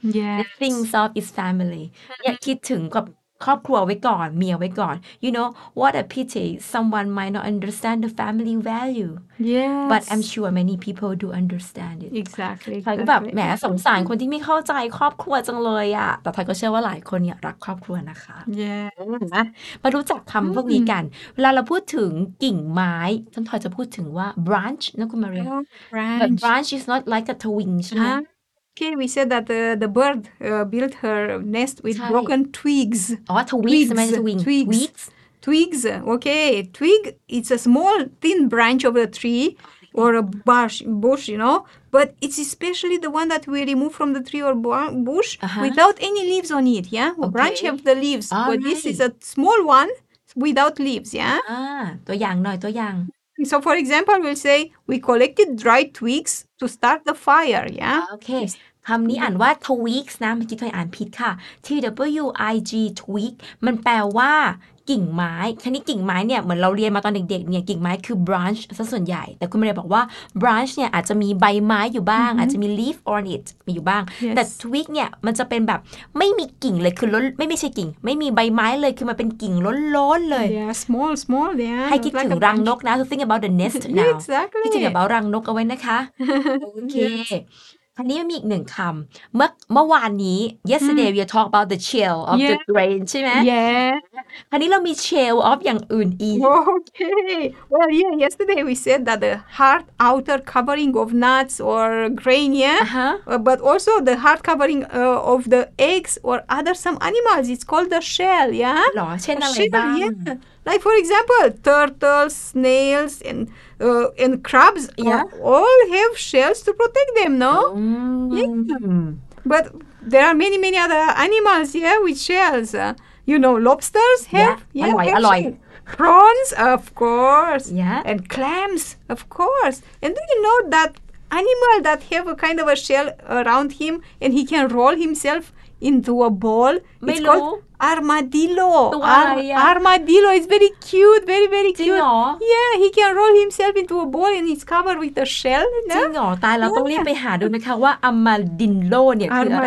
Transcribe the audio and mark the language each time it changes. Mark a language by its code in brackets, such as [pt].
[en] Yes. It thinks of its family. [th] อยากคิดถึงกับครอบครัวไว้ก่อนเมียไว้ก่อน [en] you know what a pity someone might not understand the family value yes but I'm sure many people do understand it exactly [th] ท่านก็แบบแหมสงสารคนที่ไม่เข้าใจครอบครัวจังเลยอ่ะแต่ท่านก็เชื่อว่าหลายคนเนี่ยรักครอบครัวนะคะ [en] yeah [th] มารู้จักคำพวกนี้กันเวลาเราพูดถึงกิ่งไม้ท่านทอยจะพูดถึงว่า branch นะคุณมาเรียน [en] branch is not like a twig [th] ใช่ไหม [en] Okay, we said that the bird built her nest with broken twigs. Oh, twigs. Twigs. Twigs. Okay. Twig, it's a small, thin branch of a tree or a bush, you know. But it's especially the one that we remove from the tree or bush without any leaves on it, yeah? Okay. A branch of the leaves. All but this is a small one without leaves, yeah? [th] ตัวอย่างหน่อย. [en] So, for example, we'll say, we collected dry twigs to start the fire, yeah? Okay. [th] คำนี้อ่านว่า twigs นะเมื่อกี้ทอยอ่านผิดค่ะ T-W-I-G, twig, มันแปลว่ากิ่งไม้คันนี้กิ่งไม้เนี่ยเหมือนเราเรียนมาตอนเด็กๆเนี่ยกิ่งไม้คือ branch ซะส่วนใหญ่แต่คุณมาเรียนบอกว่า branch เนี่ยอาจจะมีใบไม้อยู่บ้าง [en] mm-hmm. [th] อาจจะมี [en] leaf on it [th] มีอยู่บ้าง [en] yes. [th] แต่ twig เนี่ยมันจะเป็นแบบไม่มีกิ่งเลยคือล้นไม่ใช่กิ่งไม่มีใบไม้เลยคือมันเป็นกิ่งล้นๆเลย [en] yeah small yeah [th] ให้คิด [en] like [th] ถึงรังนกนะ [en] so think about the nest now exactly [th] คิดถึงแบบรังนกเอาไว้นะคะโอเคคราวนี้มีอีกหนึ่งคำเมื่อวานนี้ [en] yesterday we talk about the shell of the grain [th] ใช่ไหม [en] yeah [th] คราวนี้เรามี shell of อย่างอื่นอีก [en] okay well yeah yesterday we said that the hard outer covering of nuts or grain yeah but also the hard covering of the eggs or other some animals it's called the shell yeah หรอเช่นอะไรบ้าง Like for example, turtles, snails, and crabs all have shells to protect them, no? Mm. Yeah. But there are many, many other animals, yeah, with shells. You know, lobsters have, yeah, prawns, of course, yeah, and clams, of course. And do you know that animal that have a kind of a shell around him and he can roll himself into a ball? It's called armadillo. Yeah. Armadillo is very cute, very, very cute. [th] จริงเหรอ [en] Yeah, he can roll himself into a ball and it's covered with a shell. [th] จริงเหรอตายเราต้องรีบไปหาดูนะคะว่า armadillo เนี่ยคืออะไร